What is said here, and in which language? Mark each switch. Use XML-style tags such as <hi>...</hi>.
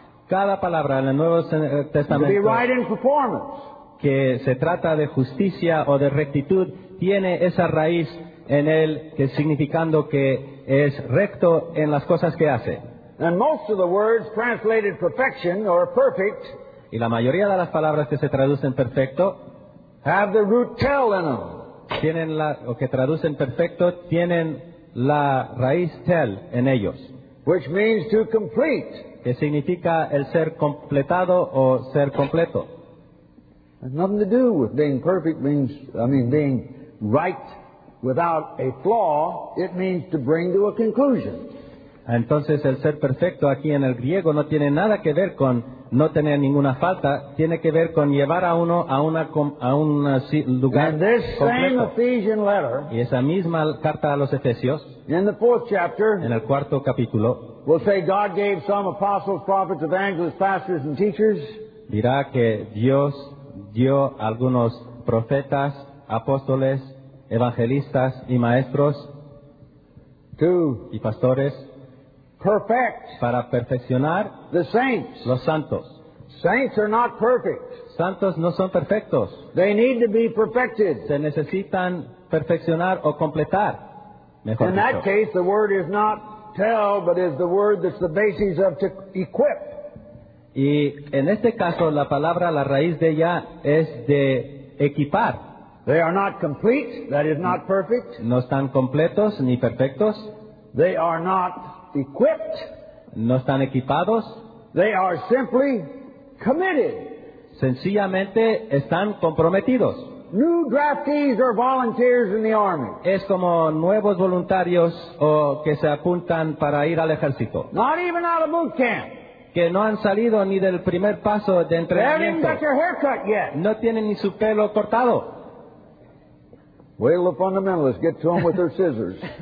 <es>Cada palabra en el Nuevo Testamento</es> <en>to be right in performance.</en> <es>Que se trata de justicia o de rectitud tiene esa raíz en él, que significando que es recto en las cosas que hace.</es> <en>And most of the words translated perfection or perfect,</en> <es>y la mayoría de las palabras que se traducen perfecto</es> <en>have the root tel in them.</en> <es>Tienen la, o que traducen perfecto tienen la raíz tel en ellos,</es> <en>which means to complete.</en> <es>Que significa el ser completado o ser completo.</es> <en>It's nothing to do with being perfect means, I mean, being right without a flaw. It means to bring to a conclusion.</en> <es>Entonces, el ser perfecto aquí en el griego no tiene nada que ver con no tener ninguna falta. Tiene que ver con llevar a uno a un lugar completo.</es> <en>Letter,</en> <es>y esa misma carta a los Efesios,</es> <en>in the fourth chapter,</en> <es>en el cuarto capítulo,</es> <en>we'll say God gave some apostles, prophets, evangelists, pastors, and teachers.</en> <es>Dirá que Dios dio algunos profetas, apóstoles, evangelistas y maestros, y pastores,</es> <en>perfect</en> <es>para perfeccionar</es> <en>the saints.</en> <es>Los santos.</es> <en>Saints are not perfect.</en> <es>Santos no son perfectos.</es> <en>They need to be perfected.</en> <es>Se necesitan perfeccionar o completar. Mejor</es> <en>in</en> <es>dicho.</es> <en>That case, the word is not tell, but is the word that's the basis of to equip.</en> <es>Y en este caso, la palabra, la raíz de ella es de equipar.</es> <en>They are not complete, that is not perfect.</en> <es>No están completos ni perfectos.</es> <en>They are not equipped.</en> <es>No están equipados.</es> <en>They are simply committed.</en> <es>Sencillamente están comprometidos.</es> <en>New draftees or volunteers in the army.</en> <es>Es como nuevos voluntarios o que se apuntan para ir al ejército.</es> <en>Not even out of boot camp.</en> <es>Que no han salido ni del primer paso de entrenamiento.</es> <en>They haven't got their hair cut yet.</en> <es>No tienen ni su pelo cortado.</es> <en>Wait till the fundamentalists get to them with their scissors.</en>